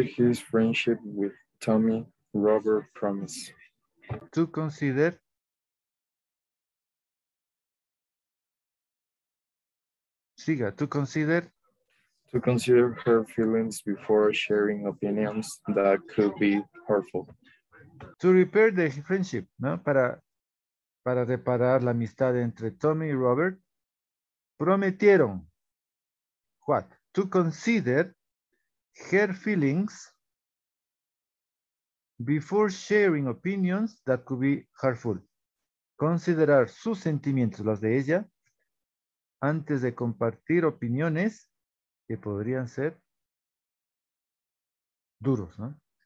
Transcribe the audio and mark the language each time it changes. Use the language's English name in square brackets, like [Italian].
[English] his friendship with Tommy, Robert promised. To consider. [Spanish] Siga. Siga, [English] to consider. To consider her feelings before sharing opinions that could be hurtful. To repair the friendship, ¿no? [Spanish] Para reparar la amistad entre Tommy y Robert. Prometieron. [English] What? To consider her feelings before sharing opinions that could be hurtful. [Spanish] Considerar sus sentimientos, las de ella, antes de compartir opiniones que podrían ser duros, ¿no?